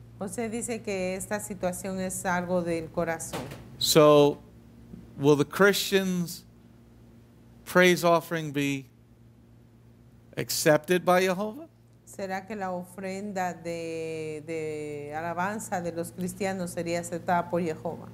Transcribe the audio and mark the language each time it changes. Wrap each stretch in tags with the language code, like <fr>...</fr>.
<es>Jose dice que esta situación es algo del corazón.</es> <en>So, will the Christian's praise offering be accepted by Jehovah?</en> <es>¿Será que la ofrenda de alabanza de los cristianos sería aceptada por Jehová?</es>